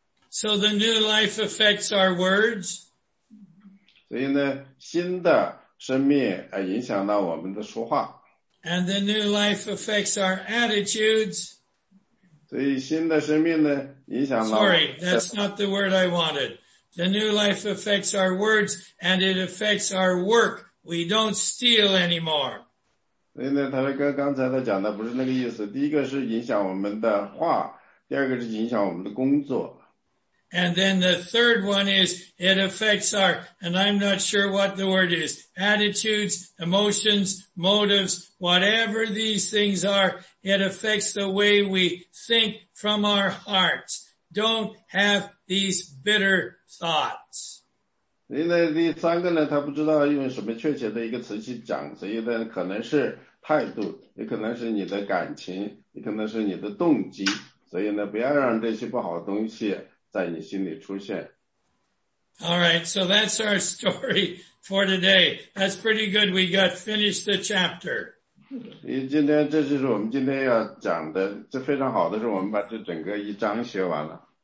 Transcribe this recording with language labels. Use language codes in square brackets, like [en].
[en] So the new life affects our words. [zh] 所以呢，新的生命影响到我们的说话。 [en] And the new life affects our attitudes. [zh] 所以新的生命呢，影响到。 [en] Sorry, that's not the word I wanted. The new life affects our words, and it affects our work. We don't steal anymore. [zh] 所以呢，他说刚才他讲的不是那个意思。第一个是影响我们的话，第二个是影响我们的工作。 [en] And then the third one is, it affects our, and I'm not sure what the word is, attitudes, emotions, motives, whatever these things are, it affects the way we think from our hearts. Don't have these bitter thoughts. [zh] 所以呢，第三个呢，他不知道用什么确切的一个词去讲，所以呢，可能是态度，也可能是你的感情，也可能是你的动机，所以呢，不要让这些不好的东西在你心里出现。 [en] All right, so that's our story for today. That's pretty good. We got finished the chapter. [zh] 今天这就是我们今天要讲的，这非常好的是我们把这整个一章学完了。